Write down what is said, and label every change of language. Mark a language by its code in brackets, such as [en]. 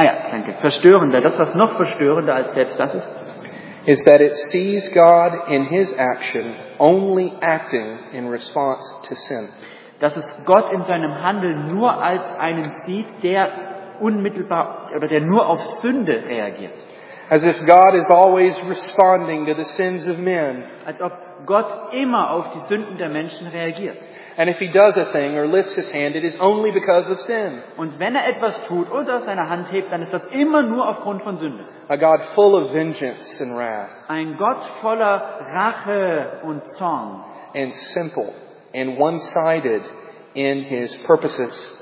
[de] Danke. Verstörender. Das, was noch verstörender als selbst das ist. [en] Is that it sees God in his action only acting in response to sin. [de] Dass es Gott in seinem Handeln nur als einen sieht, der unmittelbar oder der nur auf Sünde reagiert. [en] As if God is always responding to the sins of men. [de] Als ob Gott immer auf die Sünden der Menschen reagiert. [en] And if he does a thing or lifts his hand, it is only because of sin. [de] Und wenn er etwas tut oder seine Hand hebt, dann ist das immer nur aufgrund von Sünde. [en] A God full of vengeance and wrath. [de] Ein Gott voller Rache und Zorn. [en] And simple and one-sided in his purposes.